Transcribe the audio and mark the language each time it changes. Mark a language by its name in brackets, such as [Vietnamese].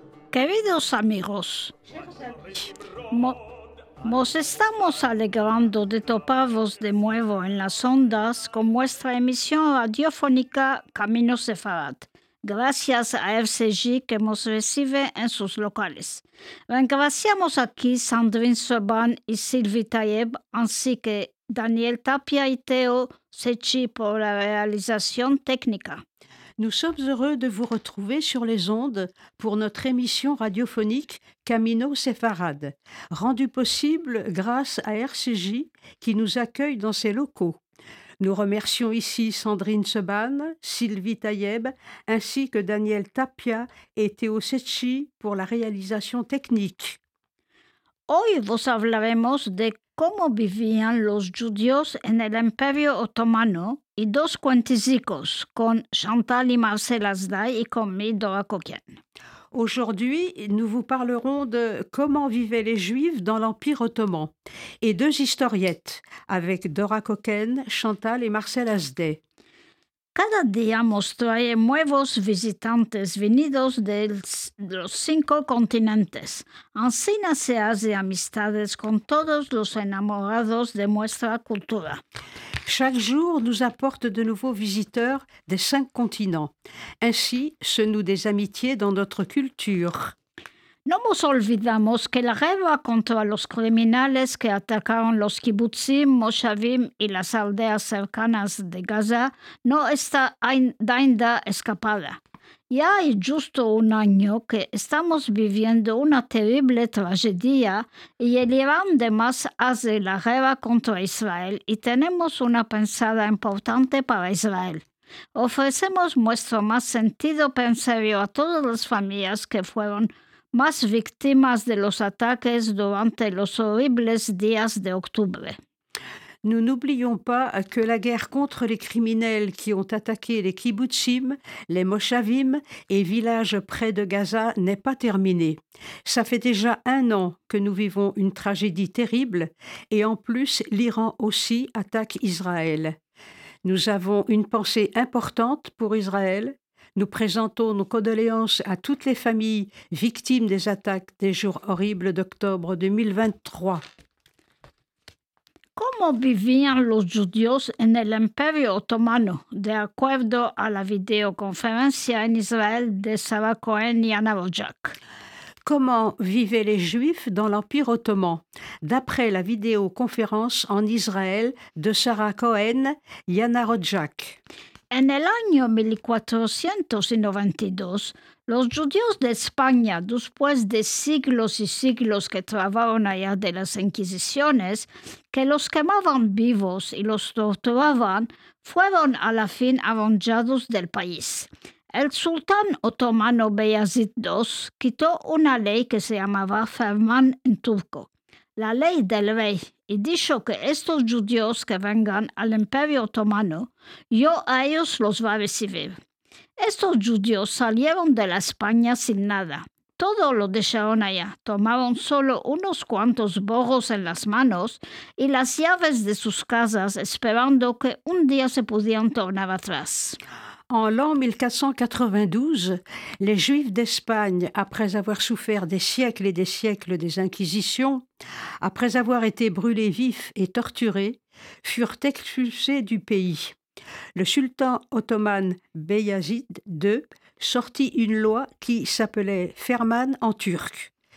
[Ladino] queridos amigos, nos estamos alegrando de toparvos de nuevo en las ondas con nuestra emisión radiofónica Camino Sefarad, gracias a FCJ que nos recibe en sus locales. Reagradecemos aquí Sandrine Seban y Sylvie Tayeb, así que Daniel Tapia y Theo Sechi por la realización técnica. [French] Nous sommes heureux de vous retrouver sur les ondes pour notre émission radiophonique Camino Sefarad, rendue possible grâce à RCJ qui nous accueille dans ses locaux. Nous remercions ici Sandrine Seban, Sylvie Tayeb, ainsi que Daniel Tapia et Théo Sechi pour la réalisation technique. [Ladino] Hoy vos hablaremos de cómo vivían los judíos en el Imperio Otomano y dos cuentecicos con Chantal y Marcel Azday y con mi Dora Coquien. [French] Aujourd'hui, nous vous parlerons de comment vivaient les Juifs dans l'Empire Ottoman et deux historiettes avec Dora Coquien, Chantal et Marcel Azday. [Ladino] Cada día nos trae nuevos visitantes venidos de los cinco continentes. Así nace Asia amistades con todos los enamorados de nuestra cultura. [French] Chaque jour nous apporte de nouveaux visiteurs des cinq continents. Ainsi se nouent des amitiés dans notre culture. [Ladino] No nos olvidamos que la guerra contra los criminales que atacaron los kibbutzim, moshavim y las aldeas cercanas de Gaza no está ainda escapada. Ya hay justo un año que estamos viviendo una terrible tragedia y el Irán de más hace la guerra contra Israel y tenemos una pensada importante para Israel. Ofrecemos nuestro más sentido pensamiento a todas las familias que fueron más víctimas de los ataques durante los horribles días de octubre. [French] Nous n'oublions pas que la guerre contre les criminels qui ont attaqué les kibbutzim, les moshavim et villages près de Gaza n'est pas terminée. Ça fait déjà un an que nous vivons une tragédie terrible et en plus l'Iran aussi attaque Israël. Nous avons une pensée importante pour Israël. Nous présentons nos condoléances à toutes les familles victimes des attaques des jours horribles d'octobre 2023. [Ladino] ¿Cómo vivían los judíos en el Imperio Otomano? De acuerdo a la videoconferencia en Israel de Sarah Cohen y Anna Rojak. [French] Comment vivaient les Juifs dans l'Empire Ottoman? D'après la vidéoconférence en Israël de Sarah Cohen y Anna Rojak. [Ladino] En el año 1492, los judíos de España, después de siglos y siglos que trabajaron allá de las inquisiciones, que los quemaban vivos y los torturaban, fueron a la fin arrancados del país. El sultán otomano Beyazid II quitó una ley que se llamaba Ferman en turco, la ley del rey, y dijo que estos judíos que vengan al Imperio Otomano, yo a ellos los voy a recibir. Estos judíos salieron de la España sin nada. Todo lo dejaron allá. Tomaron solo unos cuantos borros en las manos y las llaves de sus casas esperando que un día se pudieran tornar atrás. [French] En l'an 1492, les Juifs d'Espagne, après avoir souffert des siècles et des siècles des inquisitions, après avoir été brûlés vifs et torturés, furent expulsés du pays. Le sultan ottoman Beyazid II sortit une loi qui s'appelait Ferman en turc.